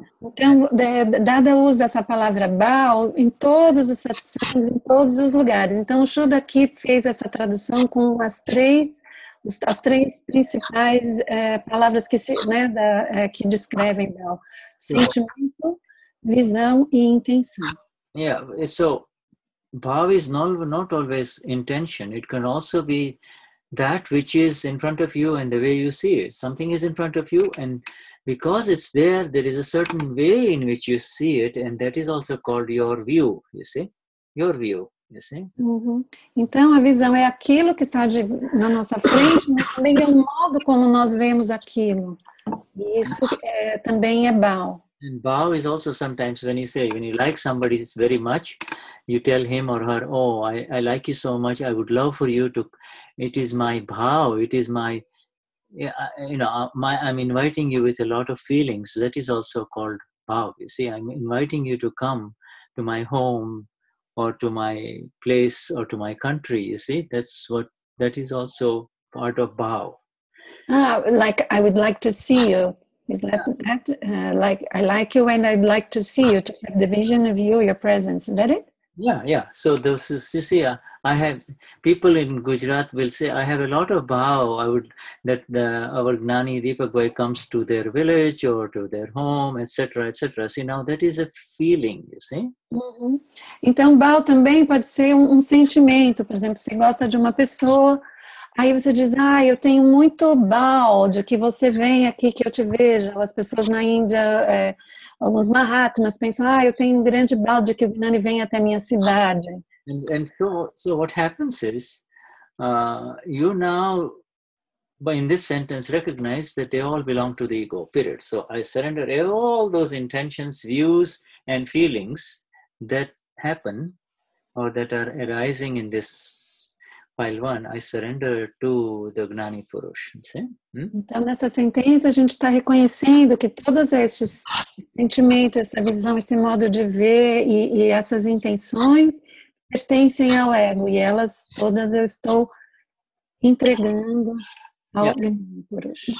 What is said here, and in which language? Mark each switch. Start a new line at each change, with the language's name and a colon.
Portuguese: Então, Dada usa essa palavra bhav em todos os satsangs, em todos os lugares. Então, o Shuddha aqui fez essa tradução com as três principais palavras que se, né, que descrevem bhav: sentimento, visão e intenção.
English: Yeah, so bhav is not always intention. It can also be that which is in front of you and the way you see it. Something is in front of you and because it's there, there is a certain way in which you see it and that is also called your view, you see? Your view, you see? Uh-huh.
Portuguese: Então, a visão é aquilo que está na nossa frente, mas também é o modo como nós vemos aquilo. E isso também é bhav.
English: And bhav is also sometimes when you like somebody very much, you tell him or her, oh, I like you so much, I would love for you to, it is my bhav, it is my, you know, I'm inviting you with a lot of feelings. That is also called bhav. You see, I'm inviting you to come to my home or to my place or to my country. You see, that is also part of bhav. Like, I would like to see you. Is that like I like you and I'd like to see you, to have the vision of you, your presence. Is that it? Yeah. So this is, you see, I have people in Gujarat will say, I have a lot of bhav. I would that our Gnani Deepakbhai comes to their village or to their home, etc., etc. See, now that is a feeling, you see.
Portuguese: Uh-huh. Então, bhav também pode ser sentimento. Por exemplo, você gosta de uma pessoa. Aí você diz, ah, eu tenho muito balde, que você vem aqui, que eu te veja. As pessoas na Índia, é, alguns mahatmas pensam, ah, eu tenho um grande balde, que o Gnani vem até a minha cidade.
English: And so, so what happens is, you now, but in this sentence, recognize that they all belong to the ego, period. So I surrender all those intentions, views, and feelings that happen or that are arising in this file one, I surrender to the Gnani Purush.
Portuguese: Então, nessa sentença, a gente está reconhecendo que todos esses sentimentos, essa visão, esse modo de ver e essas intenções pertencem ao ego e elas todas eu estou entregando ao Gnani Purush.